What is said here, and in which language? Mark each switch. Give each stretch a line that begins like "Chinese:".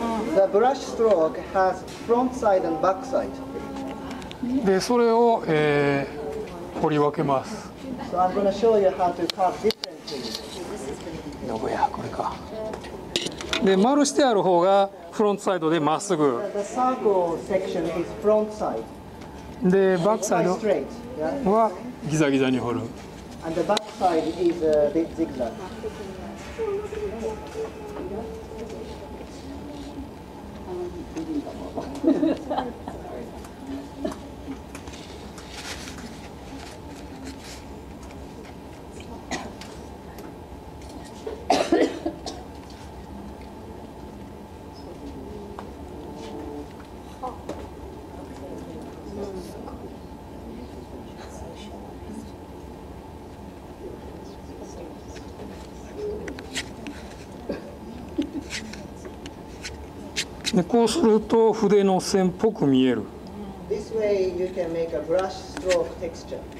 English: The brush stroke has front side and back side.
Japanese: で、それを、掘り分けます。
English: So I'm gonna show you how to cut differently.
Japanese: のぶや、これか。で、丸してある方がフロントサイドでまっすぐ。
English: The circle section is front side.
Japanese: で、バックサイドはギザギザに掘る。
English: And the back side is a bit zigzag.
Japanese: ね、こうすると筆の線っぽく見える。
English: This way you can make a brush stroke texture.